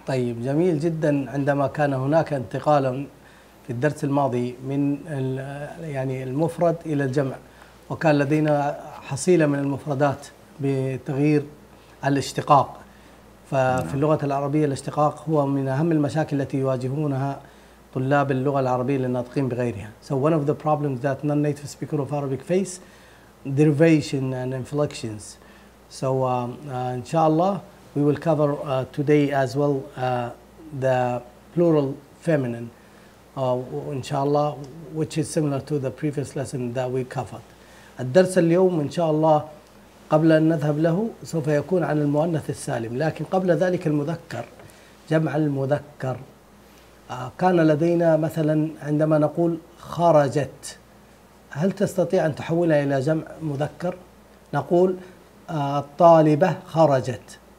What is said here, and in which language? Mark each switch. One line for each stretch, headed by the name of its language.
Arabic: طيب، جميل جدا عندما كان هناك انتقالا في الدرس الماضي من يعني المفرد إلى الجمع، وكان لدينا حصيلة من المفردات بتغيير الاشتقاق. ففي اللغة العربية الاشتقاق هو من أهم المشاكل التي يواجهونها طلاب اللغة العربية للناطقين بغيرها.
English: So one of the problems that non-native speaker of Arabic face, derivation and inflections. So inshallah we will cover today as well the plural feminine inshallah, which is similar to the previous lesson that we covered.
Arabic: الدرس اليوم inshallah قبل أن نذهب له سوف يكون عن المؤنث السالم، لكن قبل ذلك المذكر، جمع المذكر. كان لدينا مثلا عندما نقول خرجت، هل تستطيع أن تحولها إلى جمع مذكر؟ نقول الطالبة خرجت.